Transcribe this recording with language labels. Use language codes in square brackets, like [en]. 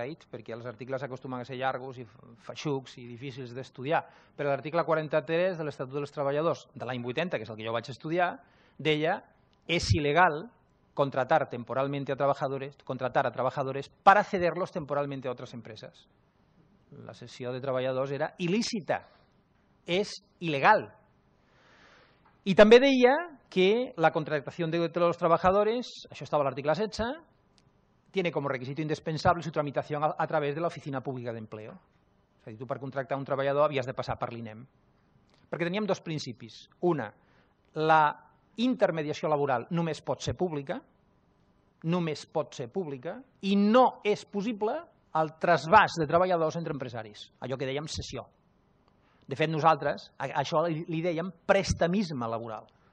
[ca] perquè els articles acostumen a ser llargos i feixucs i difícils d'estudiar, però l'article 43 de l'Estatut dels Treballadors de l'any 80, que és el que jo vaig estudiar, deia, és il·legal [es] contratar temporalmente a trabajadores, contratar a trabajadores para cederlos temporalmente a otras empresas. [ca] La cessió de treballadors era il·lícita, és il·legal. I també deia [es] que la contratación de los trabajadores, [ca] això estava a l'article 16, [es] tiene como requisito indispensable su tramitación a través de la Oficina Pública de Empleo. O sea, si tú para contratar un trabajador habías de pasar por l'INEM. Porque teníamos dos principios. Una, la intermediación laboral [ca] només pot ser pública, només pot ser pública, [es] y no es posible el trasvàs de trabajadors [ca] entre empresaris, allò que dèiem cessió. De fet, nosaltres això li dèiem prestamisme laboral.